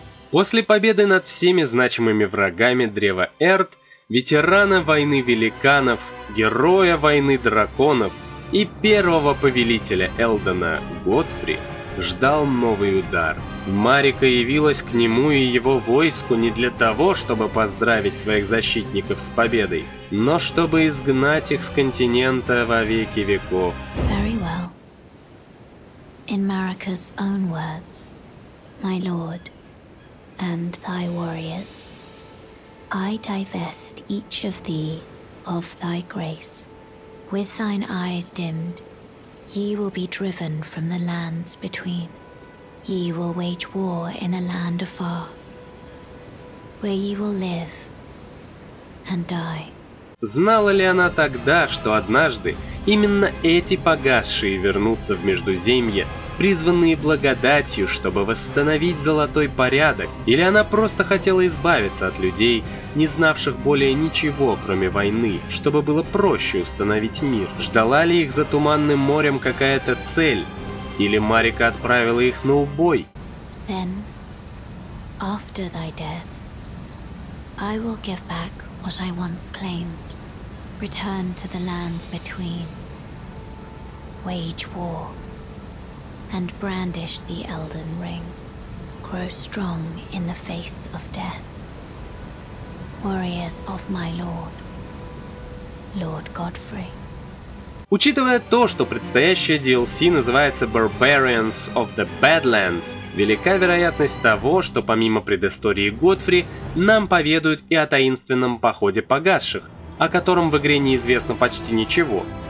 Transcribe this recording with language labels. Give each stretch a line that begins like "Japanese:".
Russian: После победы над всеми значимыми врагами Древа Эрд, ветерана войны великанов, героя войны драконов и первого повелителя Элдена Готфри ждал новый удар. Марика явилась к нему и его войску не для того, чтобы поздравить своих защитников с победой, но чтобы изгнать их с континента во веки веков.
English: Very well. In Marika's own words, my lord. And thy warriors, I divest each of thee of thy grace. With thine eyes dimmed, ye will be driven from the lands between. Ye will wage war in a land afar, where ye will live and die.
Russian: Знала ли она тогда, что однажды именно эти погасшие вернутся в Междуземье, призванные благодатью, чтобы восстановить золотой порядок, или она просто хотела избавиться от людей, не знавших более ничего, кроме войны, чтобы было проще установить мир? Ждала ли их за Туманным морем какая-то цель, или Марика отправила их на убой?
English: Then, after thy death, I will give back what I once claimed, return to the lands between, wage war, and brandish the Elden Ring, grow strong in the face of death. Warriors of my lord, Lord Godfrey.
Russian: Учитывая то, что предстоящая DLC называется Barbarians of the Badlands, велика вероятность того, что помимо предыстории Годфри, нам поведают и о таинственном походе погасших, о котором в игре неизвестно почти ничего.